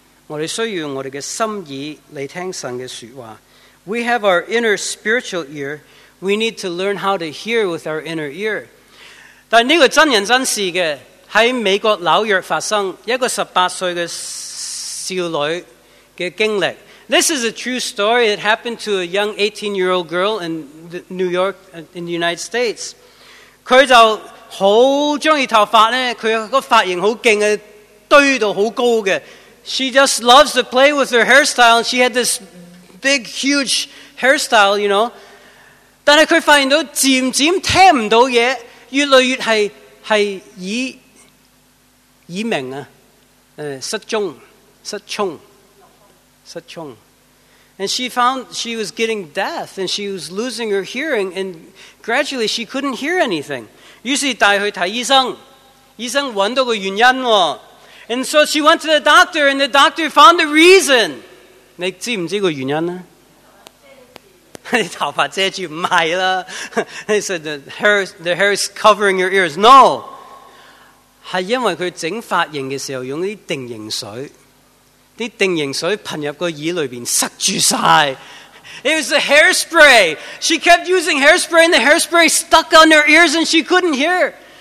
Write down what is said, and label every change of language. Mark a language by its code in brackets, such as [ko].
[zh] 我們有心耳,我們需要我們的心耳來聽神的說話。 [en] We have our inner spiritual ear, we need to learn how to hear with our inner ear. [zh] 但這個真人真事的,在美國紐約發生一個18歲的少女的經歷。 [en] This is a true story that happened to a young 18-year-old girl in New York, in the United States. [zh] 她就很喜歡頭髮,她的髮型很厲害,堆得很高的。 [en] She just loves to play with her hairstyle, and she had this big, huge hairstyle, you know. [zh] 但是她發現到漸漸聽不到東西, 越來越是耳鳴,失聰。 [en] And she found she was getting deaf, and she was losing her hearing, and gradually she couldn't hear anything. [zh] 於是帶她去看醫生,醫生找到個原因。 And so she went to the doctor, and the doctor found the reason. 你知不知道原因呢? 你頭髮遮住,不是啦。 [en] They said, the hair is covering your ears. No! [zh] 是因為他整髮型的時候用定型水, 定型水噴入耳裡面,塞住了。 [en] It was the hairspray! She kept using hairspray, and the hairspray stuck on her ears, and she couldn't hear.